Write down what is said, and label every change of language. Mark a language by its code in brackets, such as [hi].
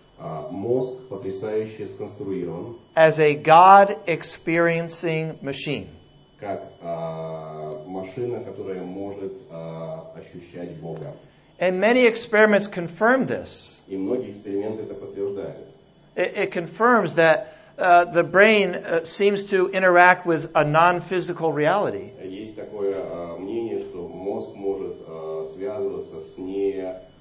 [ru] Мозг потрясающе сконструирован. [en] As a God-experiencing machine. [ru] Как машина, которая может ощущать Бога. [en] And many experiments confirm this. [ru] И многие эксперименты это подтверждают. [en] It confirms that the brain seems to interact with a non-physical reality. [ru] Есть такое мнение, что мозг может связываться с не